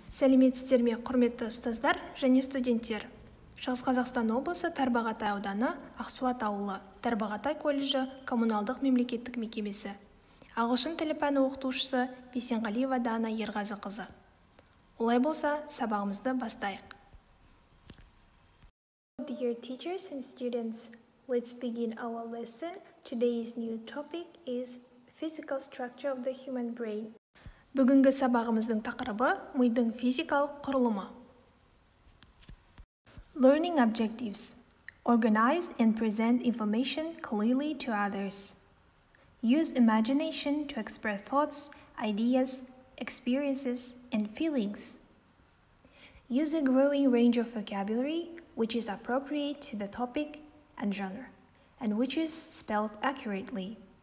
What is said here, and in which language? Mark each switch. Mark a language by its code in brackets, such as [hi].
[kk] Сәлеметсіздер ме, құрметті ұстаздар және студенттер. Шығыс Қазақстан облысы Тарбағатай ауданы, Ақсуат ауылы, Тарбағатай колледжі, коммуналдық мемлекеттік мекемесі. Ағылшын тілі пәні оқытушысы Бейсенғалиева Дана Ерғазықызы. Олай болса, сабағымызды бастайық. [en] Dear teachers and students, let's begin our lesson. Today's new topic is physical structure of the human brain. [kk] Бүгінгі сабағымыздың тақырыбы – мидың физикалық құрылымы. [en] Learning objectives. Organize and present information clearly to others. Use imagination to express thoughts, ideas, experiences, and feelings. Use a growing range of vocabulary, which is appropriate to the topic and genre, and which is spelled accurately.